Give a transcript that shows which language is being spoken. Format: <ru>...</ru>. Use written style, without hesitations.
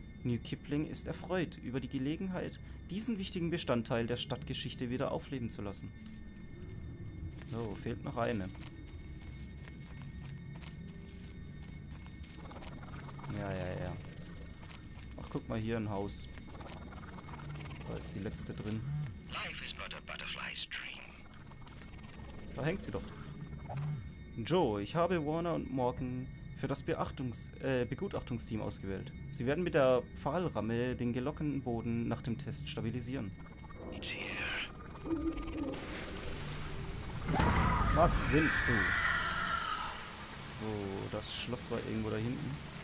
<de>New Kipling ist erfreut über die Gelegenheit, diesen wichtigen Bestandteil der Stadtgeschichte wieder aufleben zu lassen. So, fehlt noch eine. Ja. Ach, guck mal, hier ein Haus. Da ist die letzte drin.</de> <en>Life is but a butterfly's dream.</en> <de>Da hängt sie doch. Joe, ich habe Warner und Morgan für das Begutachtungsteam ausgewählt. Sie werden mit der Pfahlramme den gelockenden Boden nach dem Test stabilisieren.</de> <en>It's here.</en> <de>Was willst du? So, das Schloss war irgendwo da hinten.</de>